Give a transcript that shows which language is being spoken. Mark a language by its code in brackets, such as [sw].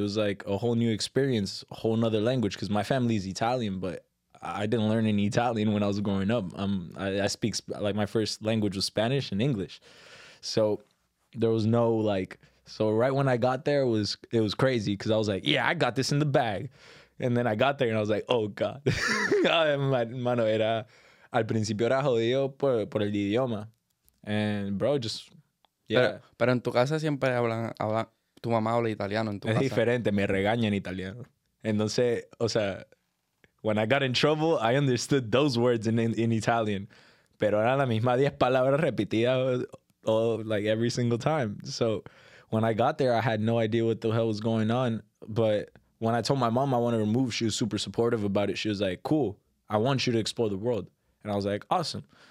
[en] It was like a whole new experience, a whole nother language, because my family is Italian, but I didn't learn any Italian when I was growing up. I speak, like, my first language was Spanish and English. So there was no, like, so right when I got there, it was crazy, because I was like, yeah, I got this in the bag. And then I got there, and I was like, oh, God. [es] Mano, era, al principio era jodido por el idioma. [en] And, bro, just, yeah. [es] Pero en tu casa siempre hablan, tu mamá habla italiano en tu es casa. Es diferente, me regaña en italiano. Entonces, o sea, [en] when I got in trouble, I understood those words in Italian. [es] Pero eran las mismas 10 palabras repetidas, [en] like, every single time. So, when I got there, I had no idea what the hell was going on, but when I told my mom I wanted to move, she was super supportive about it. She was like, cool, I want you to explore the world. And I was like, awesome.